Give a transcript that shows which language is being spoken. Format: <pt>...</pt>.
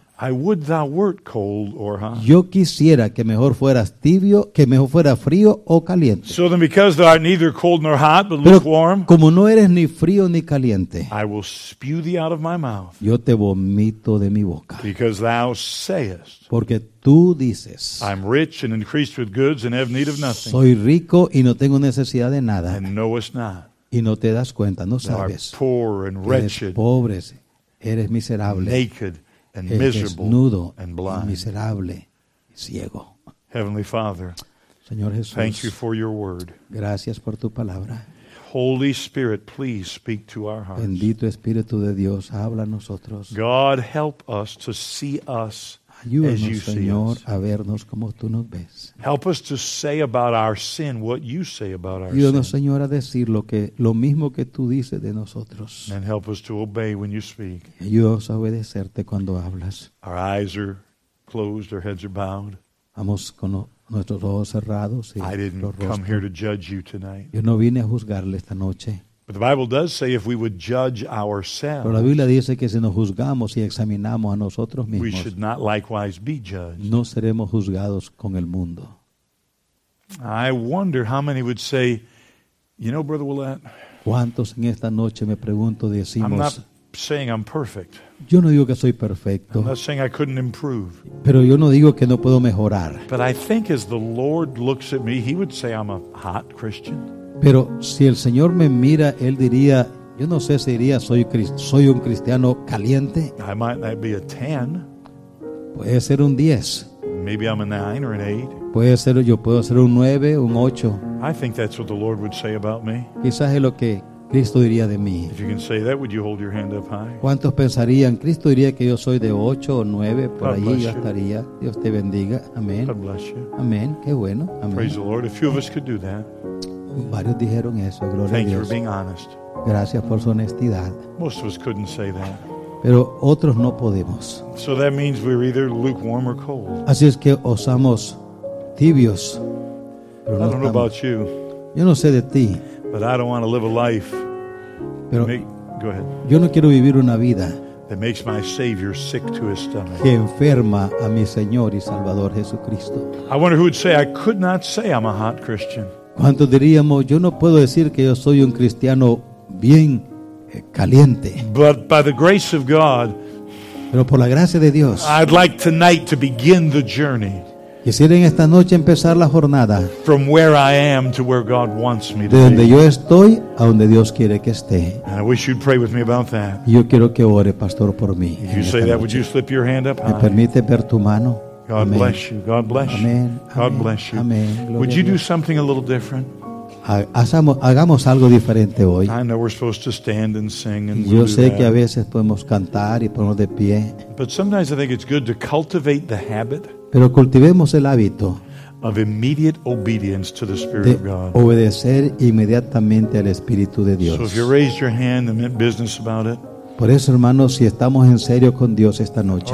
<en>I would thou wert cold or hot.</en> <es>Yo quisiera que mejor fueras tibio, que mejor fuera frío o caliente.</es> <en>So then because thou art neither cold nor hot, but lukewarm.</en> <es>Como no eres ni frío ni caliente.</es> <en>I will spew thee out of my mouth.</en> <es>Yo te vomito de mi boca.</es> <en>Because thou sayest.</en> <es>Porque tú dices.</es> <en>I'm rich and increased with goods and have need of nothing.</en> <es>Soy rico y no tengo necesidad de nada.</es> <en>And knowest not.</en> <es>Y no te das cuenta, no sabes.</es> <en>Thou art poor and wretched.</en> <es>Eres pobre, eres miserable.</es> <en>Naked. And miserable</en> <es>desnudo,</es> <en>and blind.</en> <es>Miserable, ciego.</es> <en>Heavenly Father,</en> <es>Señor Jesús,</es> <en>thank you for your word.</en> <es>Gracias por tu palabra.</es> <en>Holy Spirit, please speak to our hearts.</en> <es>Bendito Espíritu de Dios, habla a nosotros.</es> <en>God, help us to see us</en> <es>ayúdanos,</es> <en>as you</en> <es>Señor,</es> <en>see us.</en> <es>A vernos como tú nos ves.</es> <en>Help us to say about our sin what you say about our</en> <es>ayúdanos,</es> <en>sin.</en> <es>Ayúdanos, Señor, a decir lo mismo que tú dices de nosotros.</es> <en>And help us to obey when you speak.</en> <es>Ayúdanos a obedecerte cuando hablas.</es> <en>Our eyes are closed, our heads are bowed.</en> <es>Vamos con nuestros ojos cerrados. Y</es> <en>I didn't come here to judge you tonight.</en> <es>Yo no vine a juzgarle esta noche.</es> <en>But the Bible does say if we would judge ourselves,</en> <es>pero la Biblia dice que si nos juzgamos y examinamos a nosotros mismos,</es> <en>we should not likewise be judged.</en> <es>No seremos juzgados con el mundo.</es> <en>I wonder how many would say, you know, Brother Ouellette,</en> <es>¿cuántos en esta noche me pregunto decimos?</es> <en>I'm not saying I'm perfect.</en> <es>Yo no digo que soy perfecto.</es> <en>I'm not saying I couldn't improve.</en> <es>Pero yo no digo que no puedo mejorar.</es> <en>But I think as the Lord looks at me, he would say I'm a hot Christian.</en> <es>Pero si el Señor me mira, Él diría, yo no sé si diría, soy un cristiano caliente.</es> <en>I might not be a 10.</en> <es>Puede ser un 10.</es> <en>Maybe I'm a 9 or an 8.</en> <es>Yo puedo ser un 9, un 8.</es> <en>I think that's what the Lord would say about me.</en> <es>Quizás es lo que Cristo diría de mí.</es> <en>If you can say that, would you hold your hand up high?</en> <es>¿Cuántos pensarían? Cristo diría que yo soy de 8 o 9. Por allí yo estaría. Dios te bendiga. Amén.</es> <en>God bless you.</en> <es>Amén. Qué bueno. Amén.</es> <en>Praise the Lord. A few of us could do that.</en> <es>Varios dijeron eso, gloria</es> <en>thank</en> <es>a Dios.</es> <en>You for being honest.</en> <es>Gracias por su honestidad.</es> <en>Most of us couldn't say that.</en> <es>Pero otros no podemos.</es> <en>So that means we're either lukewarm or cold.</en> <es>Así es que osamos tibios. Pero</es> <en>I don't</en> <es>estamos.</es> <en>Know about you.</en> <es>Yo no sé de ti.</es> <en>But I don't want to live a life.</en> <es>Pero</es> <en>go ahead.</en> <es>Yo no quiero vivir una vida</es> <en>that makes my Savior sick to his stomach.</en> <es>Que enferma a mi Señor y Salvador Jesucristo.</es> <en>I wonder who would say I could not say I'm a hot Christian.</en> <es>¿Cuántos diríamos, yo no puedo decir que yo soy un cristiano bien caliente?</es> <en>But by the grace of God,</en> <es>pero por la gracia de Dios,</es> <en>I'd like tonight to begin the journey.</en> <es>Quisiera en esta noche empezar la jornada</es> <en>from where I am to where God wants me</en> <es>de donde</es> <en>to be.</en> <es>Yo estoy a donde Dios quiere que esté.</es> <en>And I wish you'd pray with me about that.</en> <es>Yo quiero que ore, pastor, por mí.</es> <en>If you say that, would you slip your hand up?</en> <es>¿Me permite ver tu mano?</es> <en>God</en> <es>Amen.</es> <en>Bless you. God bless you.</en> <es>Amen.</es> <en>God bless you.</en> <es>Amen.</es> <en>Would you do something a little different?</en> <es>Hagamos algo diferente hoy.</es> <en>I know we're supposed to stand and sing and</en> <es>yo</es> <en>we'll</en> <es>sé</es> <en>that.</en> <es>Que a veces podemos cantar y ponernos de pie.</es> <en>But sometimes I think it's good to cultivate the habit.</en> <es>Pero cultivemos el hábito</es> <en>of immediate obedience to the Spirit</en> <es>de</es> <en>of God.</en> <es>Obedecer inmediatamente al Espíritu de Dios.</es> <en>So if you raised your hand and meant business about it.</en> <es>Por eso, hermanos, si estamos en serio con Dios esta noche.</es>